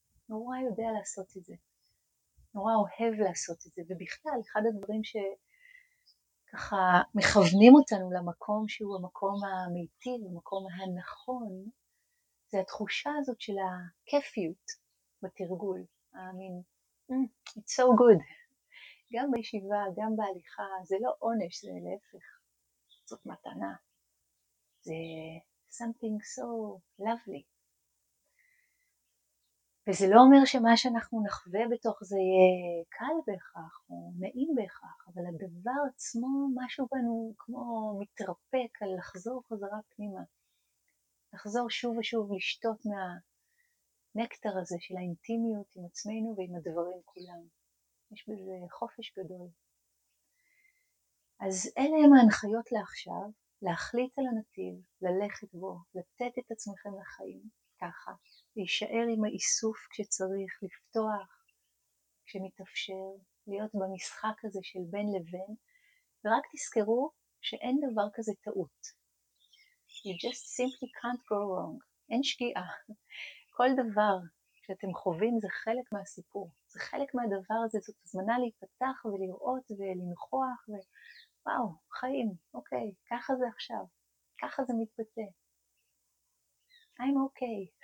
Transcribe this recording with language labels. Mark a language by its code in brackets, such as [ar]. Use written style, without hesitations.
[he] נורא יודע לעשות את זה, נורא אוהב לעשות את זה, ובכלל אחד הדברים ש... ככה מכוונים אותנו למקום שהוא המקום האמיתי, המקום הנכון, זה התחושה הזאת של הכיפיות בתרגול. המין, [en] it's so good. [he] גם בישיבה, גם בהליכה, זה לא עונש, זה להפך. זאת מתנה. זה [en] something so lovely. [he] וזה לא אומר שמה שאנחנו נחווה בתוך זה יהיה קל בהכרח או נעים בהכרח, אבל הדבר עצמו, משהו בנו כמו מתרפק על לחזור חזרה פנימה, לחזור שוב ושוב לשתות מהנקטר הזה של האינטימיות עם עצמנו ועם הדברים כולם. יש בזה חופש גדול. אז אלה הם ההנחיות לעכשיו, להחליט על הנתיב, ללכת בו, לתת את עצמכם לחיים, ככה, להישאר עם האיסוף כשצריך, לפתוח כשמתאפשר, להיות במשחק הזה של בין לבין, ורק תזכרו שאין דבר כזה טעות. [en] You just simply can't go wrong. [he] אין שגיאה. כל דבר שאתם חווים זה חלק מהסיפור, זה חלק מהדבר הזה, זאת הזמנה להיפתח ולראות ולנחוח וואו, חיים, אוקיי, ככה זה עכשיו, ככה זה מתבטא. [en] I'm okay.